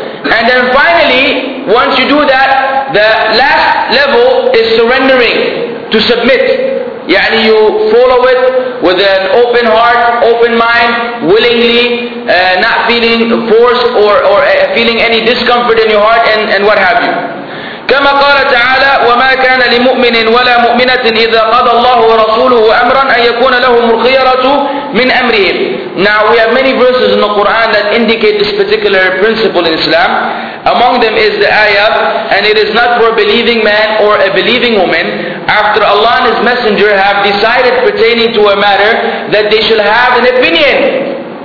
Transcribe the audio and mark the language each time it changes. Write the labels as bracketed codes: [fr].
[en] And then finally, once you do that, the last level is surrendering, to submit. [ar] يعني [en] you follow it with an open heart, open mind, willingly, not feeling forced or feeling any discomfort in your heart and what have you. [ar] كما قال تعالى وما كان لمؤمن ولا مؤمنة إذا قضى الله ورسوله أمرا أن يكون لهم الخيرة من أمرهم. [en] Now we have many verses in the Quran that indicate this particular principle in Islam. Among them is the ayah, and it is not for a believing man or a believing woman, after Allah and His Messenger have decided pertaining to a matter, that they shall have an opinion.